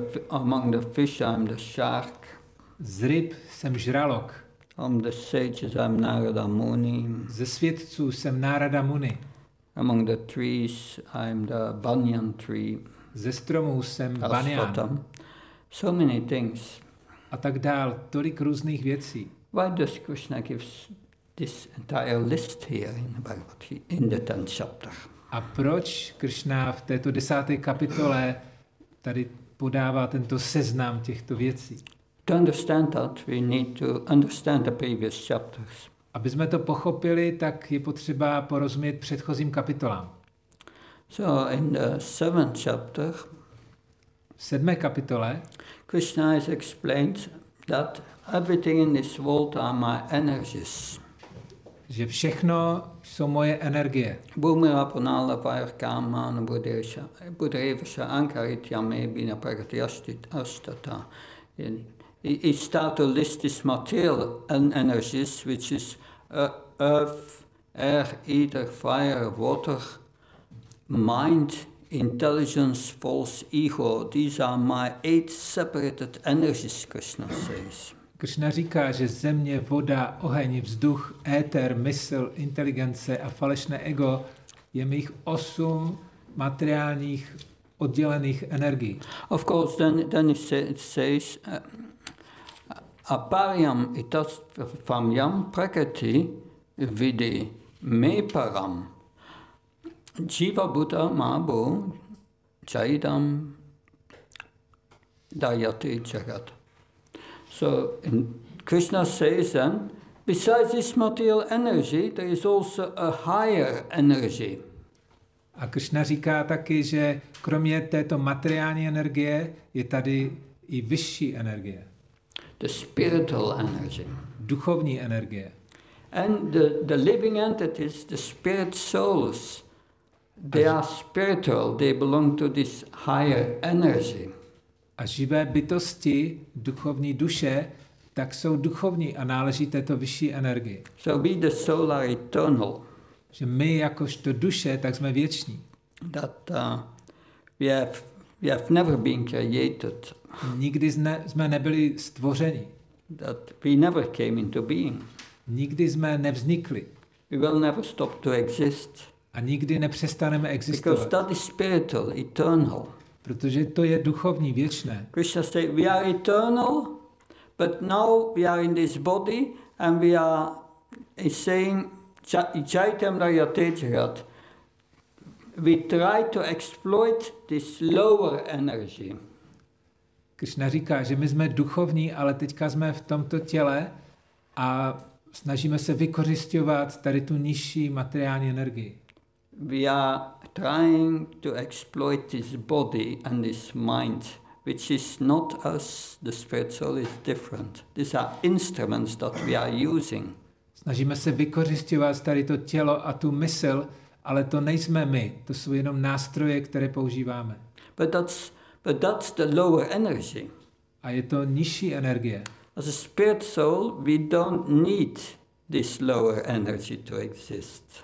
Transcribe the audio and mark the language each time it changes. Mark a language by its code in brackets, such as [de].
[en] Among the fish, I'm the shark. [cs] Z ryb jsem žralok. [en] Among the sages, I'm Narada Muni. [cs] Ze světců jsem Narada Muni. [en] Among the trees, I'm the banyan tree. [cs] Ze stromů jsem banyan. [en] So many things. [cs] A tak dál, tolik různých věcí. [en] Why does Krishna give this entire list here in the Bhagavad Gita, in the 10th chapter? [cs] A proč Krishna v této desáté kapitole tady podává tento seznam těchto věcí? [en] To understand that, we need to understand the previous chapters. [cs] Aby jsme to pochopili, tak je potřeba porozumět předchozím kapitolám. [en] So in the seventh chapter, [cs] v sedmé kapitole, [en] Krishna has explained that everything in this world are my energies. [cs] Že všechno jsou moje energie. [sa] Bhumira punala vairkama anubhudesha budrevasa ankaritjame binaparityastit astata. [en] He started to list his material energies, which is earth, air, ether, fire, water, mind, intelligence, false ego. These are my eight separate energies, Krishna says. [cs] Krishna říká, že země, voda, oheň, vzduch, éter, mysl, inteligence a falešné ego je mých osm materiálních oddělených energií. [en] Of course, then he says, [sa] aparyam itasvamyam prakriti vidi meparam jiva buddha mabu chaidam dayate jagat. [en] So Krishna says then, besides this material energy, there is also a higher energy. [cs] A Krishna říká taky, že kromě této materiální energie je tady i vyšší energie. [en] The spiritual energy. [cs] Duchovní energie. [en] And the living entities, the spirit souls, they are spiritual, they belong to this higher energy. [cs] A živé bytosti, duchovní duše, tak jsou duchovní a náleží této vyšší energii. [en] So we the soul are eternal. [cs] Že my jakožto duše, tak jsme věční. [en] That we have never been created. [cs] Nikdy jsme nebyli stvořeni. [en] That we never came into being. [cs] Nikdy jsme nevznikli. [en] We will never stop to exist. [cs] A nikdy nepřestaneme existovat. [en] Because that is spiritual, eternal. [cs] Protože to je duchovní, věčné. [en] Krishna say we are eternal, but now we are in this body and we are saying [sa] chaitamrayate jagat. [en] We try to exploit this lower energy. [cs] Krishna říká, že my jsme duchovní, ale teďka jsme v tomto těle a snažíme se vykořisťovat tady tu nižší materiální energii. [en] We are trying to exploit this body and this mind, which is not us. The spirit soul is different. These are instruments that we are using. [cs] Snažíme se vykořisťovat tady to tělo a tu mysl, ale to nejsme my. To jsou jenom nástroje, které používáme. [en] But that's the lower energy. [cs] A je to nižší energie. [en] As a spirit soul, we don't need this lower energy to exist.